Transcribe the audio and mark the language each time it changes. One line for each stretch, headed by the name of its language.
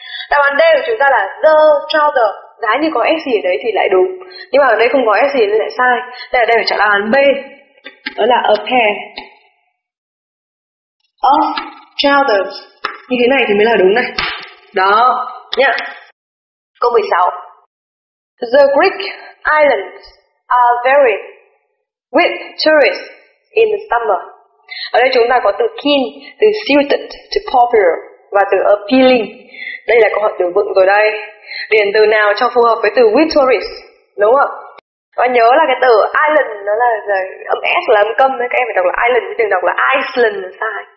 Vietnamese: Đáp án D của chúng ta là the trouser, giá như có s gì ở đấy thì lại đúng, nhưng mà ở đây không có s gì nên lại sai. Đây là đây phải chọn đáp án B, đó là a pair of trousers. Như thế này thì mới là đúng này. Đó, nhá. Câu 16.
English: The Greek islands are very with tourists in the summer.
Vietnamese: Ở đây chúng ta có từ keen, từ suited, từ popular và từ appealing. Đây là câu hỏi từ vựng rồi đây. Điền từ nào cho phù hợp với từ
English: with tourists,
Vietnamese: đúng không? Và nhớ là cái từ island nó là gì? Âm S là âm câm, các em phải đọc là island chứ đừng đọc là Iceland sai.